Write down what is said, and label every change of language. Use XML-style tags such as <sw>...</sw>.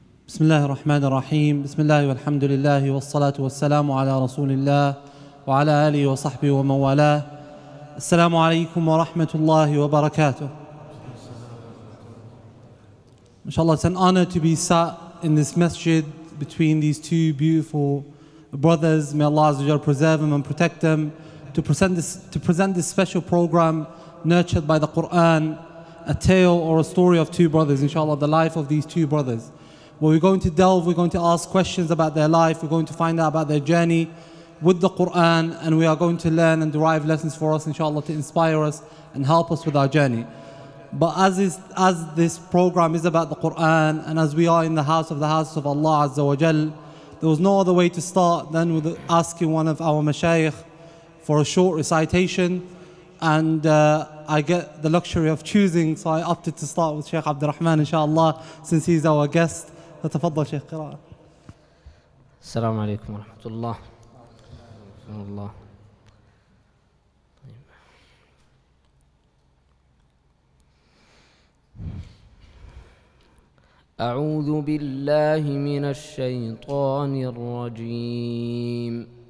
<ar>بسم الله الرحمن الرحيم بسم الله والحمد لله والصلاة والسلام على رسول الله وعلى آله وصحبه ومن والاه السلام عليكم ورحمة الله وبركاته.</ar> <en>Inshallah, it's an honor to be sat in this masjid between these two beautiful brothers. May Allah preserve them and protect them to present this special program nurtured by the Qur'an, a tale or a story of two brothers, inshallah, the life of these two brothers. Where we're going to delve, we're going to ask questions about their life, we're going to find out about their journey with the Qur'an, and we are going to learn and derive lessons for us, inshallah, to inspire us and help us with our journey. But as this program is about the Qur'an, and as we are in the house of Allah Azza wa Jal, there was no other way to start than with asking one of our mashayikh for a short recitation, and I get the luxury of choosing, so I opted to start with Sheikh Abdurahman, inshallah, since he's our guest.</en> <ar>فتفضل شيخ قراءة. السلام عليكم ورحمة الله. ورحمة الله. أعوذ بالله من الشيطان الرجيم.</ar>